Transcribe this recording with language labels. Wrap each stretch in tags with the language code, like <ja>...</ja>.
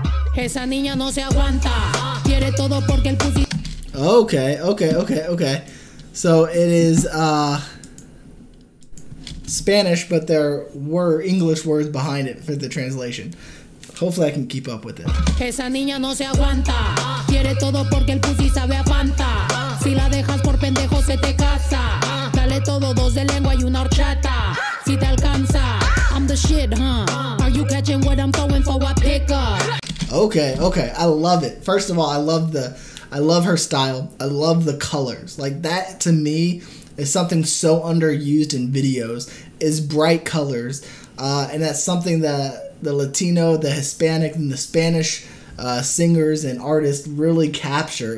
<en>Okay. So it is Spanish, but there were English words behind it for the translation. Hopefully I can keep up with it.</en> <es>Esa niña no se aguanta. Quiere todo porque el pussy sabe a Fanta. Si la dejas por pendejo se te casa. Dale todo, dos de lengua y una horchata. Si te alcanza.</es> <en>I'm the shit, huh? Are you catching what I'm throwing for a pickup? Okay. I love it. First of all, I love her style. I love the colors. Like, that to me is something so underused in videos, is bright colors. And that's something that the Latino, the Hispanic, and the Spanish singers and artists really capture.</en>